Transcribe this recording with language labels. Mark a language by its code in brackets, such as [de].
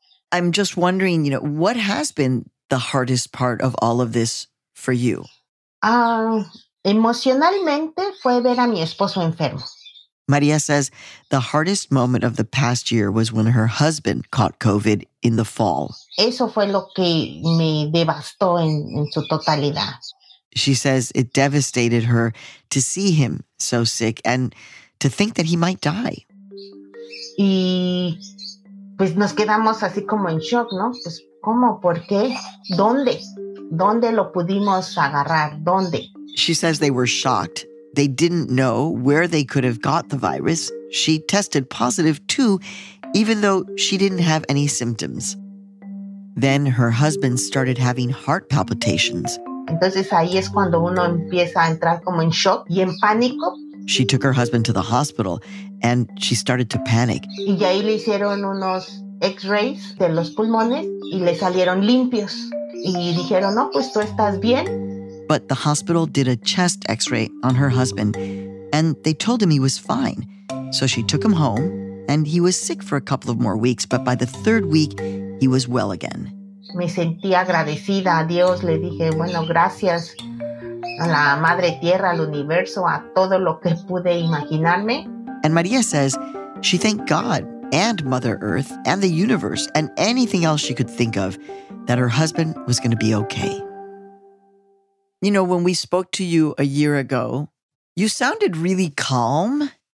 [en] I'm just wondering, you know, what has been the hardest part of all of this for you? [es] Emocionalmente fue ver a mi esposo enfermo. [en] Maria says the hardest moment of the past year was when her husband caught COVID in the fall. [es] Eso fue lo que me devastó en su totalidad. [en] She says it devastated her to see him so sick and to think that he might die. [es] Y pues nos quedamos así como en shock, ¿no? Pues ¿cómo? ¿Por qué? ¿Dónde? ¿Dónde lo pudimos agarrar? ¿Dónde? [en] She says they were shocked. They didn't know where they could have got the virus. She tested positive too, even though she didn't have any symptoms. Then her husband started having heart palpitations. [es] Entonces ahí es cuando uno empieza a entrar como en shock y en pánico. [en] She took her husband to the hospital and she started to panic. [es] Y ahí le hicieron unos x-rays de los pulmones y le salieron limpios. Y dijeron, no, pues tú estás bien. [en] But the hospital did a chest x-ray on her husband, and they told him he was fine. So she took him home, and he was sick for a couple of more weeks, but by the third week, he was well again. [es] Me sentí agradecida a Dios. Le dije, bueno, gracias a la madre tierra, al universo, a todo lo que pude imaginarme. [en] And Maria says she thanked God and Mother Earth and the universe and anything else she could think of that her husband was going to be okay. You know, when we spoke to you a year ago, you sounded really calm.